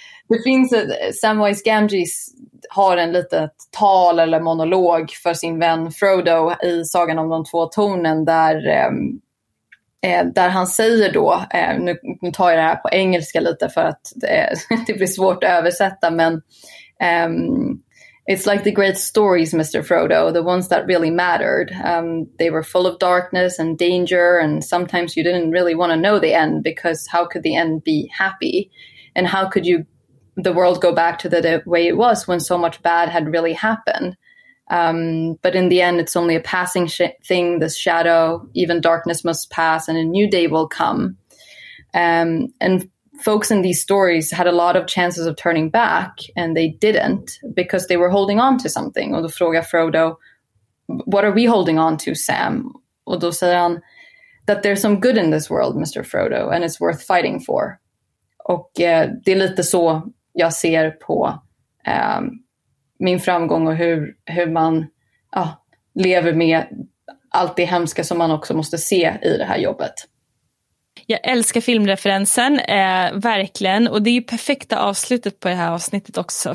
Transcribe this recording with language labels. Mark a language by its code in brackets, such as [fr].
[sv] Det finns Samwise Gamgee har en litet tal eller monolog för sin vän Frodo i Sagan om de två tornen där han säger då, nu tar jag det här på engelska lite för att det blir svårt att översätta, men [en] it's like the great stories, Mr. Frodo, the ones that really mattered. They were full of darkness and danger and sometimes you didn't really want to know the end because how could the end be happy? And how could you the world go back to the way it was when so much bad had really happened. But in the end, it's only a passing thing, this shadow, even darkness must pass and a new day will come. And folks in these stories had a lot of chances of turning back and they didn't because they were holding on to something. [sv] Och då frågar Frodo, [en] what are we holding on to, Sam? [sv] Och då säger han, [en] that there's some good in this world, Mr. Frodo, and it's worth fighting for. [sv] Och det är lite så jag ser på min framgång och hur man lever med allt det hemska som man också måste se i det här jobbet. Jag älskar filmreferensen, verkligen. Och det är ju perfekta avslutet på det här avsnittet också.